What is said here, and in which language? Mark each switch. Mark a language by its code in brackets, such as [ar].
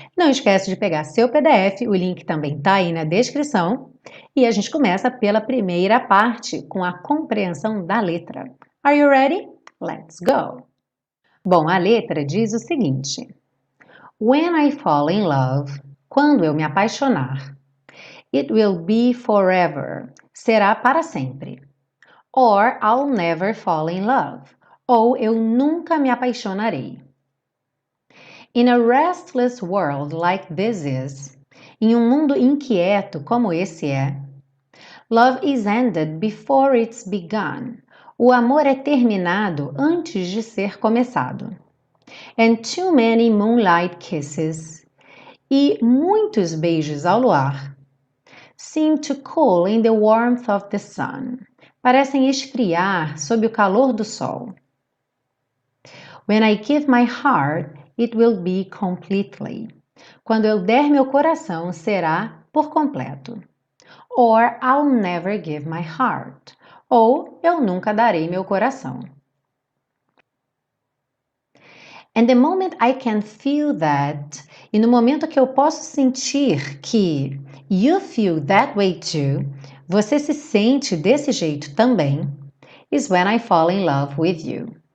[pt] Não esquece de pegar seu PDF, o link também está aí na descrição, e a gente começa pela primeira parte, com a compreensão da letra. [en] Are you ready? Let's go! [pt] Bom, a letra diz o seguinte: [en] When I fall in love, [pt] quando eu me apaixonar, [en] it will be forever. [pt] Será para sempre. [en] Or I'll never fall in love. [pt] Ou eu nunca me apaixonarei. [en] In a restless world like this is, [pt] em um mundo inquieto como esse é, [en] love is ended before it's begun. [pt] O amor é terminado antes de ser começado. [en] And too many moonlight kisses. [pt] E muitos beijos ao luar. [en] Seem to cool in the warmth of the sun. [pt] Parecem esfriar sob o calor do sol. [en] When I give my heart, it will be completely. [pt] Quando eu der meu coração, será por completo. [en] Or I'll never give my heart. [pt] Ou eu nunca darei meu coração. [en] And the moment I can feel that, [pt] e no momento que eu posso sentir que [en] you feel that way too, [pt] você se sente desse jeito também, [en] is when I fall in love with you.